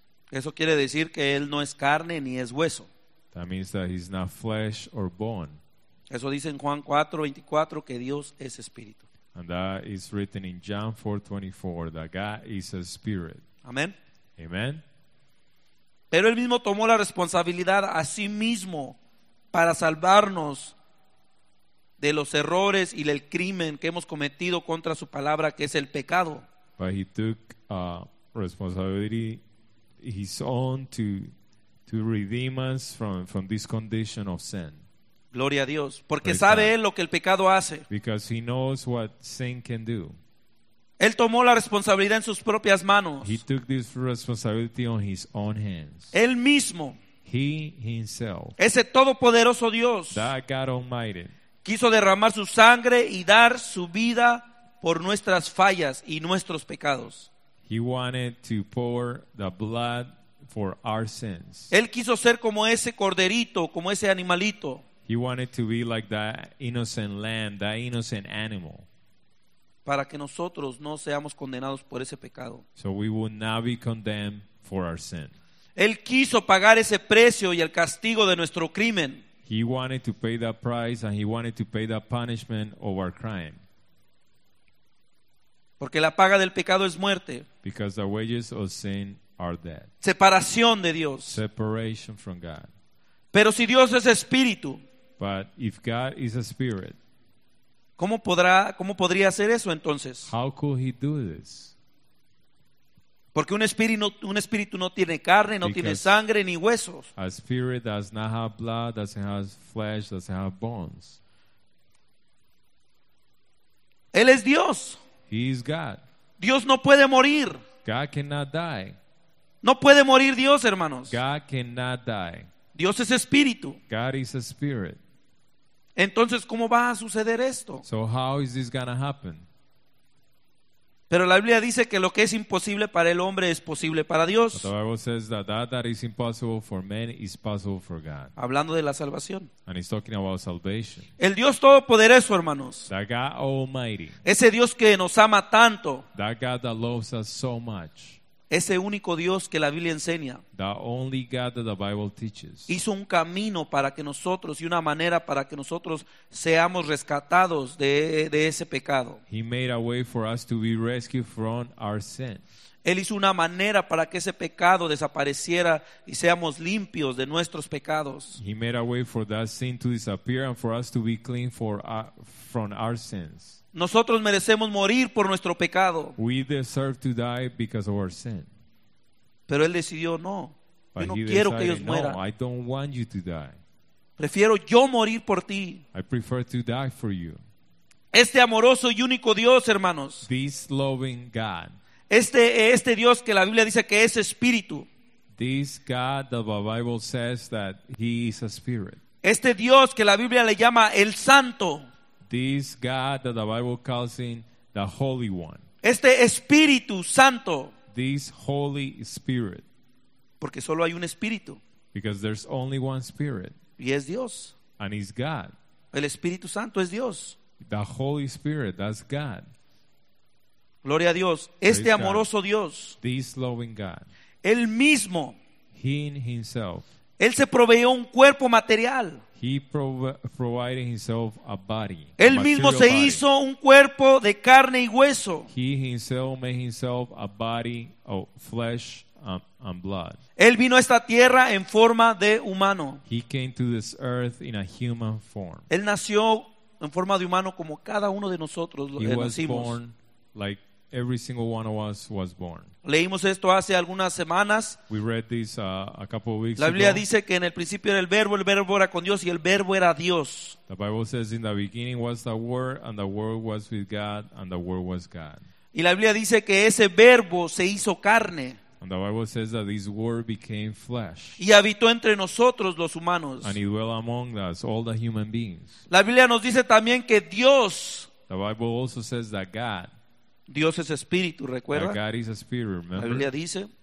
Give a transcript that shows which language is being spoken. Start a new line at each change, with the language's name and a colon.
Spanish: Eso quiere decir que él no es carne ni es hueso.
English: That means that he's not flesh or bone.
Spanish: Eso dice en Juan 4:24 que Dios es espíritu.
English: And that is written in John 4:24 that God is a spirit.
Spanish: Amén.
English: Amen.
Spanish: Pero él mismo tomó la responsabilidad a sí mismo para salvarnos de los errores y del crimen que hemos cometido contra su palabra, que es el pecado.
English: But he took responsibility his own to redeem us from this condition of sin.
Spanish: Gloria a Dios, porque
English: praise
Spanish: sabe God. Él lo que el pecado hace.
English: Because he knows what sin can do.
Spanish: Él tomó la responsabilidad en sus propias manos.
English: He took this responsibility on his own hands.
Spanish: Él mismo.
English: He himself.
Spanish: Ese todopoderoso Dios.
English: That God Almighty.
Spanish: quiso derramar su sangre y dar su vida por nuestras fallas y nuestros pecados.
English: He wanted to pour the blood for our sins.
Spanish: Él quiso ser como ese corderito, como ese animalito.
English: He wanted to be like that innocent lamb, that innocent animal.
Spanish: Para que nosotros no seamos condenados por ese pecado.
English: So we would not be condemned for our sin.
Spanish: Él quiso pagar ese precio y el castigo de nuestro crimen.
English: He wanted to pay that price and he wanted to pay that punishment of our crime.
Spanish: Porque la paga del pecado es muerte.
English: Because the wages of sin are death.
Spanish: Separación de Dios.
English: Separation from God.
Spanish: Pero si Dios es espíritu,
English: but if God is a spirit,
Spanish: ¿cómo podría hacer eso entonces?
English: How could he do this?
Spanish: Porque un espíritu no tiene carne, no
English: because
Spanish: tiene sangre ni huesos.
English: A spirit does not have blood, doesn't have flesh, doesn't have bones.
Spanish: Él es Dios.
English: He is God.
Spanish: Dios no puede morir.
English: God cannot die.
Spanish: No puede morir Dios, hermanos.
English: God cannot die.
Spanish: Dios es espíritu.
English: God is a spirit.
Spanish: Entonces, ¿cómo va a suceder esto?
English: So how is this going to happen?
Spanish: Pero la Biblia dice que lo que es imposible para el hombre es posible para Dios.
English: But the Bible says that that is impossible for men is possible for God.
Spanish: Hablando de la salvación.
English: And he's talking about salvation.
Spanish: El Dios Todopoderoso, hermanos.
English: That God Almighty.
Spanish: Ese Dios que nos ama tanto.
English: That God that loves us so much.
Spanish: Ese único Dios que la Biblia enseña.
English: The only God that the Bible teaches.
Spanish: Hizo un camino para que nosotros y una manera para que nosotros seamos rescatados de ese pecado.
English: He made a way for us to be rescued from our sin.
Spanish: Él hizo una manera para que ese pecado desapareciera y seamos limpios de nuestros pecados.
English: He made a way for that sin to disappear and for us to be clean from our sins.
Spanish: Nosotros merecemos morir por nuestro pecado.
English: We deserve to die because of our sin.
Spanish: Pero él decidió no.
English: But
Spanish: yo no
English: he
Spanish: quiero
English: decided,
Spanish: que ellos mueran.
English: No, I don't want you to die.
Spanish: Prefiero yo morir por ti.
English: I prefer to die for you.
Spanish: Este amoroso y único Dios, hermanos.
English: This loving God.
Spanish: Este Dios que la Biblia dice que es espíritu.
English: This God that the Bible says that he is a spirit.
Spanish: Este Dios que la Biblia le llama el Santo.
English: This God that the Bible calls him the Holy One.
Spanish: Este Espíritu Santo.
English: This Holy Spirit.
Spanish: Porque solo hay un Espíritu.
English: Because there's only one Spirit.
Spanish: Y es Dios.
English: And he's God.
Spanish: El Espíritu Santo es Dios.
English: The Holy Spirit, that's God.
Spanish: Gloria a Dios. Este
English: Praise
Spanish: amoroso God. Dios.
English: This loving God.
Spanish: Él mismo.
English: He himself.
Spanish: Él se proveyó un cuerpo material.
English: He provided himself a body.
Spanish: Él mismo se hizo un cuerpo de carne y hueso.
English: He himself made himself a body of flesh and blood.
Spanish: Él vino a esta tierra en forma de humano.
English: He came to this earth in a human form.
Spanish: Él nació en forma de humano como cada uno de nosotros lo nacimos.
English: He was born like every single one of us was born.
Spanish: Leímos esto hace algunas semanas.
English: We read this a couple of weeks ago.
Spanish: La Biblia
English: ago.
Spanish: Dice que en el principio era el verbo era con Dios y el verbo era Dios.
English: The Bible says in the beginning was the word and the word was with God and the word was God.
Spanish: Y la Biblia dice que ese verbo se hizo carne.
English: And the Bible says that this word became flesh.
Spanish: Y habitó entre nosotros los humanos.
English: And he dwelt among us, all the human beings.
Spanish: La Biblia nos dice también que Dios.
English: The Bible also says that God.
Spanish: Dios es espíritu, ¿recuerda?
English: God is a spirit, remember?
Spanish: La Biblia dice.